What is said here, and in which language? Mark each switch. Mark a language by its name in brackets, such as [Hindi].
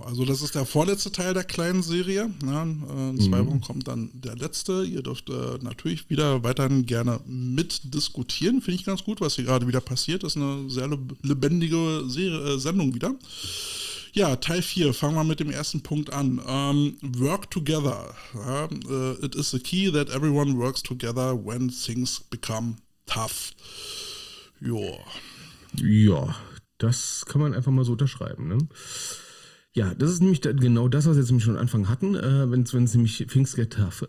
[German] Also das ist der vorletzte Teil der kleinen Serie. Ja, in zwei Wochen kommt dann der letzte. Ihr dürft natürlich wieder weiterhin gerne mitdiskutieren. Finde ich ganz gut, was hier gerade wieder passiert. Das ist eine sehr lebendige Sendung wieder. Ja, Teil 4, fangen wir mit dem ersten Punkt an. [English] Work together. It is the key that everyone works together when things become tough. [German] Ja, das kann man einfach mal so unterschreiben. Ne? Ja, das ist nämlich genau das, was wir jetzt nämlich schon am Anfang hatten, wenn es nämlich [English] things get tough.